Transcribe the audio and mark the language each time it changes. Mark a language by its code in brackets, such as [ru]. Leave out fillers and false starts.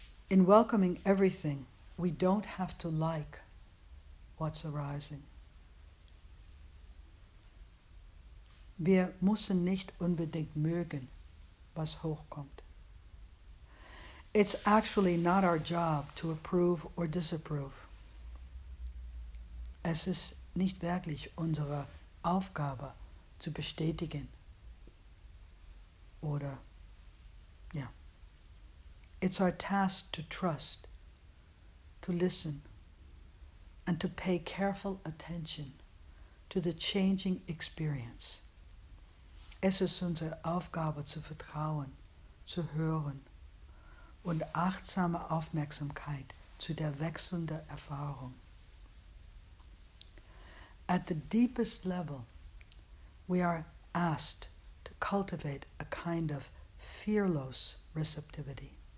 [en] In welcoming everything, we don't have to like what's arising. [de] Wir müssen nicht unbedingt mögen, was hochkommt. [en] It's actually not our job to approve or disapprove. [de] Es ist nicht wirklich unsere Aufgabe, zu bestätigen. Oder, ja. Yeah. [en] It's our task to trust, to listen, and to pay careful attention to the changing experience. [de] Es ist unsere Aufgabe, zu vertrauen, zu hören und achtsame Aufmerksamkeit zu der wechselnden Erfahrung. [en] At the deepest level, we are asked to cultivate a kind of fearless receptivity.